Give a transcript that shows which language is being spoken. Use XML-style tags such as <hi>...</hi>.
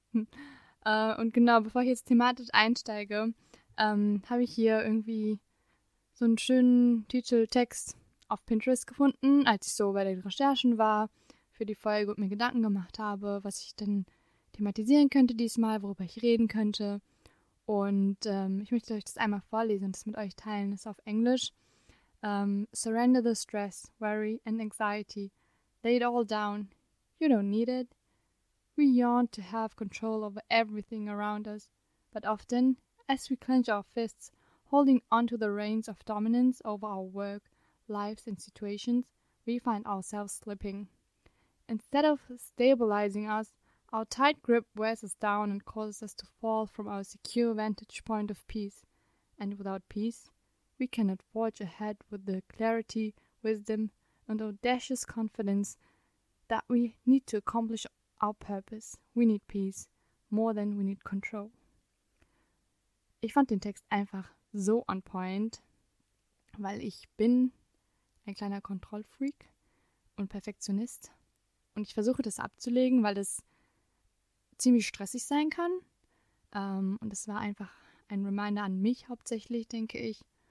<de>Und genau, bevor ich jetzt thematisch einsteige, habe ich hier irgendwie so einen schönen Titeltext auf Pinterest gefunden, als ich so bei den Recherchen war für die Folge und mir Gedanken gemacht habe, was ich denn thematisieren könnte diesmal, worüber ich reden könnte. Und ich möchte euch das einmal vorlesen und das mit euch teilen. Das ist auf Englisch.</de> <en>Surrender the stress, worry, and anxiety. Lay it all down. You don't need it. We yearn to have control over everything around us. But often, as we clench our fists, holding onto the reins of dominance over our work, lives, and situations, we find ourselves slipping. Instead of stabilizing us, our tight grip wears us down and causes us to fall from our secure vantage point of peace. And without peace, we cannot forge ahead with the clarity, wisdom, and audacious confidence that we need to accomplish our purpose. We need peace more than we need control.</en> <de>Ich fand den Text einfach so on point, weil ich bin ein kleiner Kontrollfreak und Perfektionist. Und ich versuche das abzulegen, weil das ziemlich stressig sein kann. Und das war einfach ein Reminder an mich hauptsächlich, denke ich.</de>